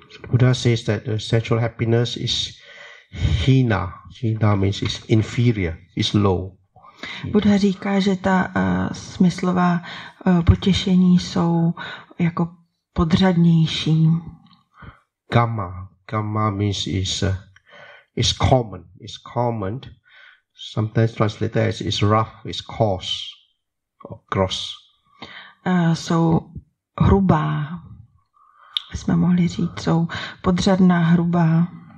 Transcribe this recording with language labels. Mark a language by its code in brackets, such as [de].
[en] Buddha says that the sensual happiness is hina. Hina means it's inferior, it's low. [cs] Buddha říká, že ta smyslová potěšení jsou jako podřadnější. [en] Kama means is common. It's common. Sometimes translated as is rough, is coarse or gross. [cs] Jsou hrubá. Jsme mohli říct, jsou podřadná, hrubá.